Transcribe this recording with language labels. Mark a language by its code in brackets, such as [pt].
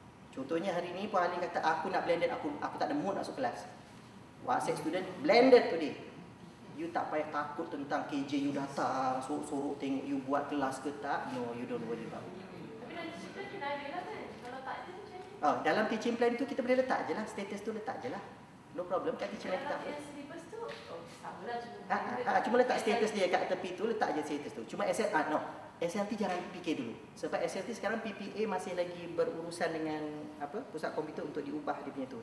[ms] Contohnya hari ini Puan Ali kata aku nak blended, aku tak ada mood nak masuk kelas. Wahai student, [en] blended today. [ms] You tak payah takut tentang KJ you datang, sorok-sorok tengok you buat kelas ke tak. [en] No, you don't worry about it. [ms] Tapi dalam cerita kita ada lah kan? Kalau tak ada macam mana? Oh, dalam teaching plan itu kita boleh letak je lah. Status tu letak je lah. [en] No problem [ms] kat teaching plan kita. Oh, sama lah. Cuma letak status dia kat tepi tu, letak je status tu. Cuma accept, no. SLT jangan PK dulu. Sebab SLT sekarang PPA masih lagi berurusan dengan apa pusat komputer untuk diubah dia punya tu.